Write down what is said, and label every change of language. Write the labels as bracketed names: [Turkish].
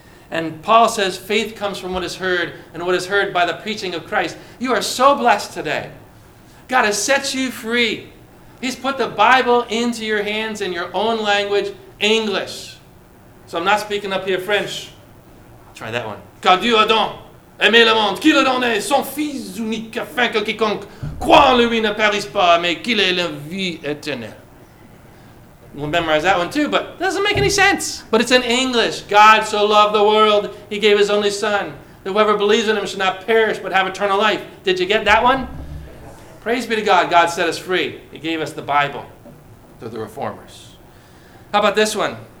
[English] And Paul says, faith comes from what is heard, and what is heard by the preaching of Christ. You are so blessed today. God has set you free. He's put the Bible into your hands in your own language, English. So I'm not speaking up here French. Try that one. [French] Car Dieu a donc aimé le monde, qu'il a donné son fils unique, afin que quiconque croit en lui ne périsse pas, mais qu'il ait la vie éternelle. [English] We'll memorize that one too, but it doesn't make any sense. But it's in English. God so loved the world, he gave his only son, that whoever believes in him should not perish, but have eternal life. Did you get that one? Praise be to God. God set us free. He gave us the Bible through the reformers. How about this one?